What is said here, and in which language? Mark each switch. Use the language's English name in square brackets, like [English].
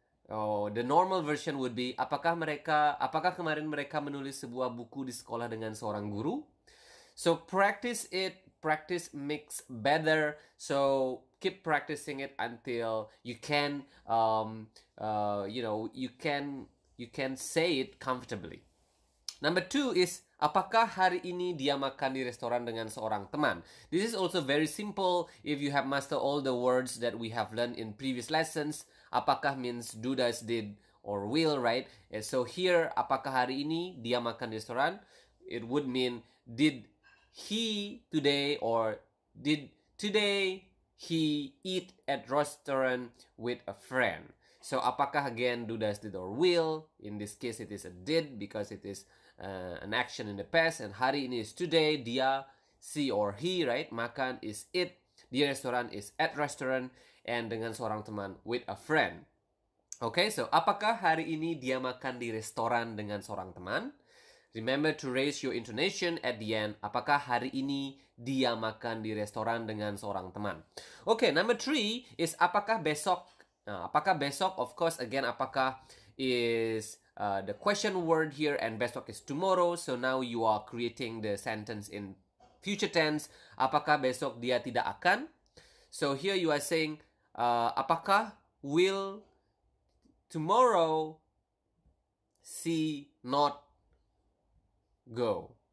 [English] Oh, the normal version would be, [Indonesian] apakah kemarin mereka menulis sebuah buku di sekolah dengan seorang guru? [English] So, practice it. Practice makes better. So, keep practicing it until you can, you can say it comfortably. Number two is, [Indonesian] apakah hari ini dia makan di restoran dengan seorang teman? [English] This is also very simple if you have mastered all the words that we have learned in previous lessons. Apakah means do, does, did, or will, right? And so here, [Indonesian] apakah hari ini dia makan di restoran? [English] It would mean, did he today or did today he eat at restaurant with a friend. So, apakah again do, does, did, or will? In this case, it is a did because it is an action in the past. And hari ini is today, dia, she or he, right? Makan is it. Di restoran is at restaurant. And [Indonesian] dengan seorang teman [English] with a friend. Okay, so [Indonesian] apakah hari ini dia makan di restoran dengan seorang teman? [English] Remember to raise your intonation at the end. [Indonesian] Apakah hari ini dia makan di restoran dengan seorang teman? [English] Okay, number three is [Indonesian] apakah besok? Nah, apakah besok? [English] Of course, again, apakah is the question word here and besok is tomorrow. So now you are creating the sentence in future tense. [Indonesian] Apakah besok dia tidak akan? [English] So here you are saying, apakah will tomorrow see not go?